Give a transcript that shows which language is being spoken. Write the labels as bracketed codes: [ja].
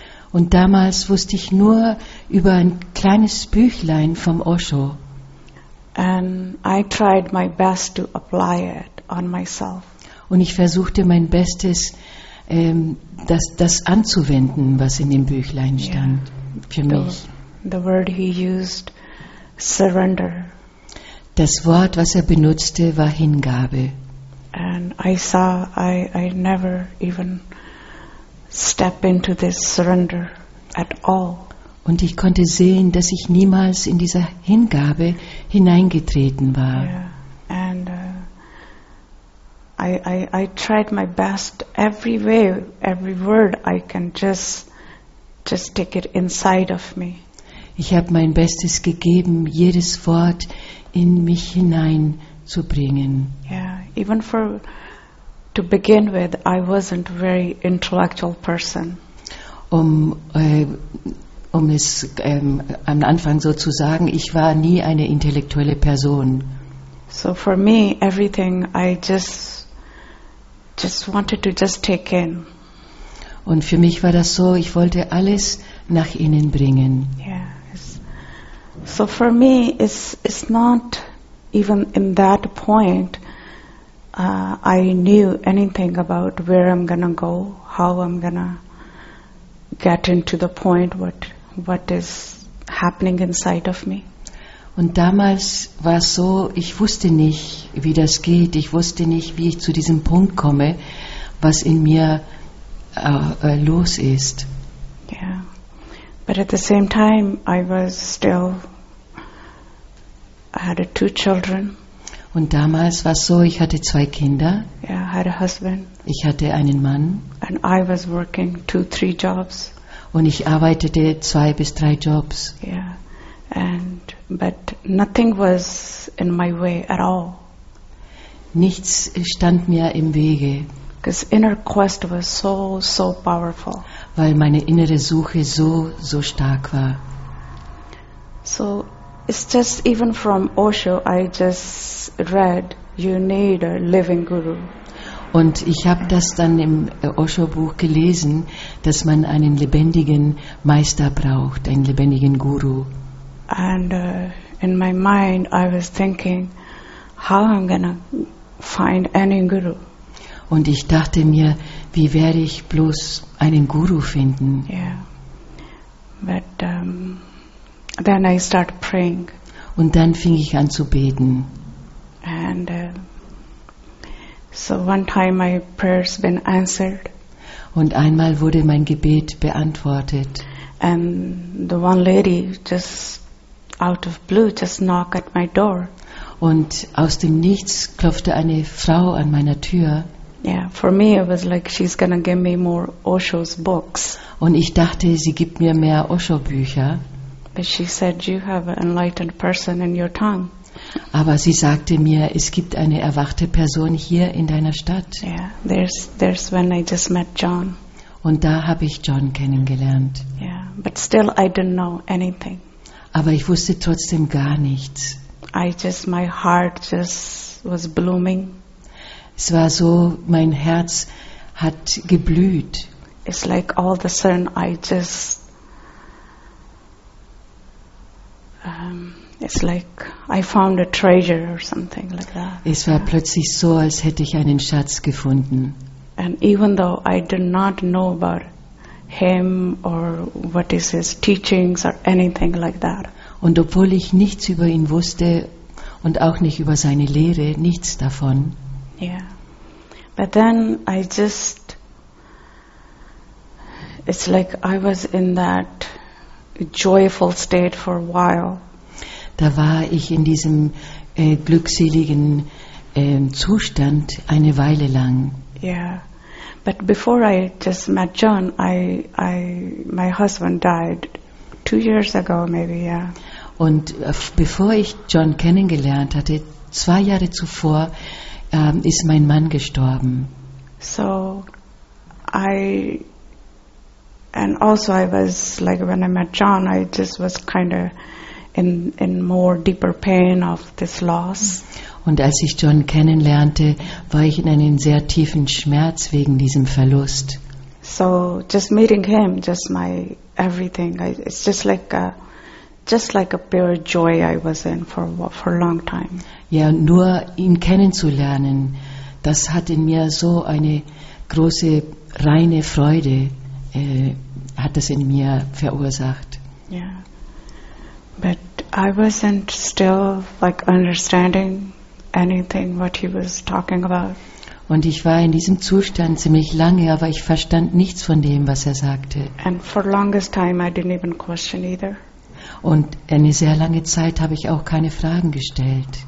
[de] Und damals wusste ich nur über ein kleines Büchlein vom Osho. [en] And I tried my best to apply it on myself. [de] Und ich versuchte mein Bestes, das anzuwenden, was in dem Büchlein stand, yeah. Für mich. [en] The word he used, surrender. [de] Das Wort, was er benutzte, war Hingabe. [en] And I saw I never even step into this surrender at all. [de] Und ich konnte sehen, dass ich niemals in dieser Hingabe hineingetreten war. [en] Yeah. And I tried my best every way, every word I can just take it inside of me. [de] Ich habe mein Bestes gegeben, jedes Wort in mich hinein. Zu bringen. [en] Yeah, even for to begin with, I wasn't a very intellectual person. [de] Am Anfang so zu sagen, ich war nie eine intellektuelle Person. [en] So for me, everything I just wanted to just take in. [de] Und für mich war das so, ich wollte alles nach innen bringen. [en] Yes. So for me, it's not even in that point I knew anything about where I'm gonna go, how I'm gonna get into the point what is happening inside of me. [de] Und damals war es so, ich wusste nicht, wie das geht. Ich wusste nicht, wie ich zu diesem Punkt komme, was in mir los ist. [en] Yeah. But at the same time, I was still, I had 2 children. [de] Und damals war es so, ich hatte 2 Kinder. [en] Yeah, I had a husband. [de] Ich hatte einen Mann. [en] And I was working 2-3 jobs. [de] Und ich arbeitete 2 bis 3 Jobs. [en] Yeah. But nothing was in my way at all. [de] Nichts stand mir im Wege. [en] Because inner quest was so, so powerful. [de] Weil meine innere Suche so, so stark war. [en] So it's just even from Osho, I just read, you need a living guru. [de] Und ich habe das dann im Osho-Buch gelesen, dass man einen lebendigen Meister braucht, einen lebendigen Guru. [en] And in my mind, I was thinking, how I'm gonna find any guru. [de] Und ich dachte mir, wie werde ich bloß einen Guru finden? [en] Yeah. But then I start praying. [de] Und dann fing ich an zu beten. [en] And so one time my prayer's been answered. [de] Und einmal wurde mein Gebet beantwortet. [en] And the one lady just out of blue just knock at my door. [de] Und aus dem Nichts klopfte eine Frau an meiner Tür. [en] Yeah, for me it was like she's gonna give me more Osho's books. [de] Und ich dachte, sie gibt mir mehr Osho-Bücher. [en] But she said, you have an enlightened person in your town. [de] Aber sie sagte mir, es gibt eine erwachte Person hier in deiner Stadt. [en] Yeah, there's when I just met John. [de] Und da habe ich John kennengelernt. [en] Yeah, but still I didn't know anything. [de] Aber ich wusste trotzdem gar nichts. [en] My heart just was blooming. [de] Es war so, mein Herz hat geblüht. [en] It's like all of a sudden I just, it's like I found a treasure or something like that. [de] Es war plötzlich so, als hätte ich einen Schatz gefunden. [en] And even though I did not know about him or what is his teachings or anything like that. [de] Und obwohl ich nichts über ihn wusste und auch nicht über seine Lehre, nichts davon. [en] Yeah. But then I just, it's like I was in that joyful state for a while. [de] Da war ich in diesem glückseligen Zustand eine Weile lang. [en] Yeah. But before I just met John, my husband died 2 years ago, maybe, yeah. [de] Und bevor ich John kennengelernt hatte, 2 Jahre zuvor, ist mein Mann gestorben. [en] So, I was like, when I met John, I just was kind of in more deeper pain of this loss. [de] Und als ich John kennenlernte, war ich in einem sehr tiefen Schmerz wegen diesem Verlust. [en] So, just meeting him, just my everything, it's just like a pure joy I was in for a long time. [de] Ja, nur ihn kennenzulernen, das hat in mir so eine große, reine Freude, hat das in mir verursacht. Ja, [en] but I wasn't still like understanding anything what he was talking about. [de] Und ich war in diesem Zustand ziemlich lange, aber ich verstand nichts von dem, was er sagte. [en] And for longest time I didn't even question either. [de] Und eine sehr lange Zeit habe ich auch keine Fragen gestellt.